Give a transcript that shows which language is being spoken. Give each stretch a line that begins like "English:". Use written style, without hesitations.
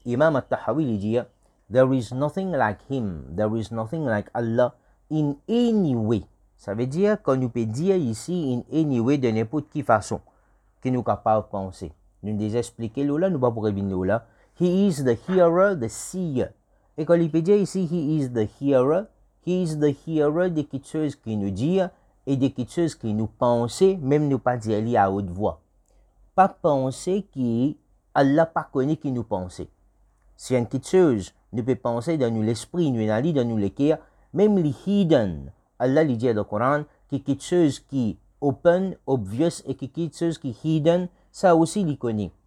English: Imam At-Tahawi diye, there is nothing like him, there is nothing like Allah in any way.
French: Ça veut dire qu'on peut dire ici
English: in any way,
French: de n'importe quelle façon, qui nous capable de penser. Nous déjà expliqué là, nous pas pour revenir là.
English: He is the hearer, the seer.
French: Et quand il peut dire ici,
English: he is the hearer
French: de quelque chose qui nous dit et de quelque chose qui nous pense, même nous pas dire à haute voix. Pas penser qu'Allah pas connaît qui nous pense. Si une petite chose nous peut penser dans l'esprit, dans le cœur, même le hidden, Allah le dit dans le Coran, qui quelque chose qui open, obvious, et qui quelque chose qui hidden, ça aussi le connaît.